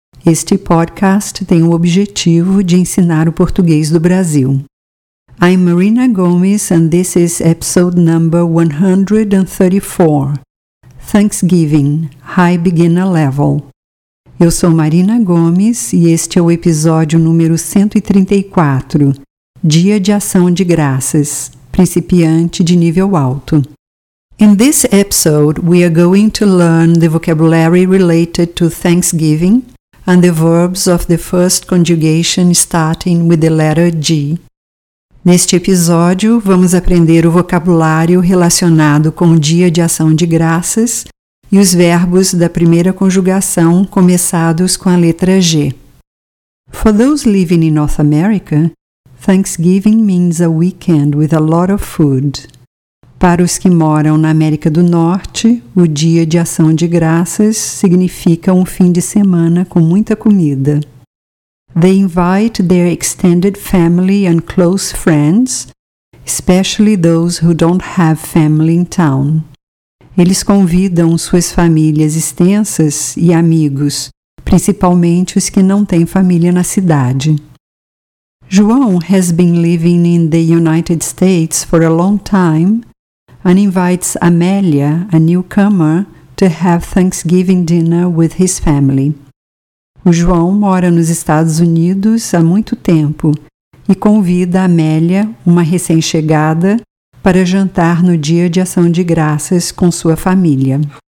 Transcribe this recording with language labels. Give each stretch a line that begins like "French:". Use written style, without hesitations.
Portuguese: Este podcast tem o objetivo de ensinar o português do Brasil.
English: I'm Marina Gomes and this is episode number 134. Thanksgiving, High Beginner Level.
Portuguese: Eu sou Marina Gomes e este é o episódio número 134. Dia de Ação de Graças, Principiante de Nível Alto.
English: In this episode, we are going to learn the vocabulary related to Thanksgiving and the verbs of the first conjugation starting with the letter G.
Portuguese: Neste episódio, vamos aprender o vocabulário relacionado com o Dia de Ação de Graças e os verbos da primeira conjugação começados com a letra G.
English: For those living in North America, Thanksgiving means a weekend with a lot of food.
Portuguese: Para os que moram na América do Norte, o Dia de Ação de Graças significa um fim de semana com muita comida.
English: They invite their extended family and close friends, especially those who don't have family in town.
Portuguese: Eles convidam suas famílias extensas e amigos, principalmente os que não têm família na cidade.
English: João has been living in the United States for a long time and invites Amélia, a newcomer, to have Thanksgiving dinner with his family.
Portuguese: O João mora nos Estados Unidos há muito tempo e convida Amélia, uma recém-chegada, para jantar no Dia de Ação de Graças com sua família.